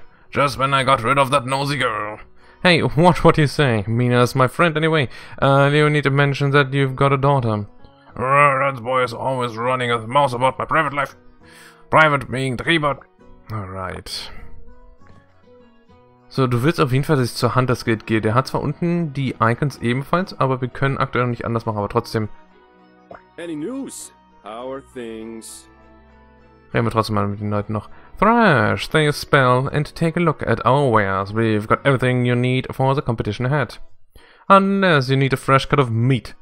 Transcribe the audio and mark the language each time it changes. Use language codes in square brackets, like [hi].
[en] just when I got rid of that nosy girl. Hey, watch what you say. Mina is my friend anyway. You need to mention that you've got a daughter. That boy is always running his mouth about my private life. Private being the keyboard. Alright. [de] So, du willst auf jeden Fall, dass ich zur Hunters Guild gehe. Der hat zwar unten die Icons ebenfalls, aber wir können aktuell noch nicht anders machen, aber trotzdem. [en] Any news? How are things? [de] Reden wir trotzdem mal mit den Leuten noch. [en] Thrash, stay a spell and take a look at our wares. We've got everything you need for the competition ahead. Unless you need a fresh cut of meat.